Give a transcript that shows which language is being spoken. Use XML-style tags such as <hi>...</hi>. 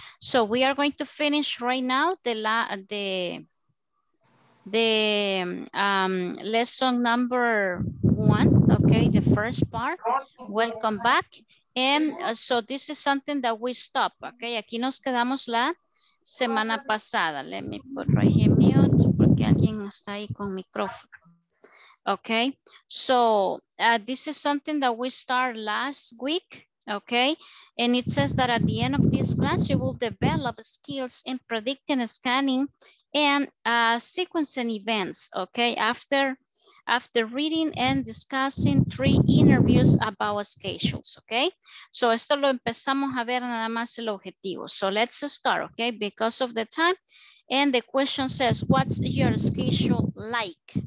<en>So we are going to finish right now the lesson number one, okay, the first part. Welcome back. And so this is something that we stop, okay?</en> <es>Aquí nos quedamos la semana pasada.</es> <en>Let me put right here mute</en> <es>porque alguien está ahí con micrófono.</es> <en>Okay, so this is something that we start last week, okay? And it says that at the end of this class, you will develop skills in predicting, scanning, and sequencing events, okay? After reading and discussing three interviews about schedules, okay? So</en> <es>esto lo empezamos a ver nada más el objetivo.</es> <en>So let's start, okay? Because of the time. And the question says, what's your schedule like?</en>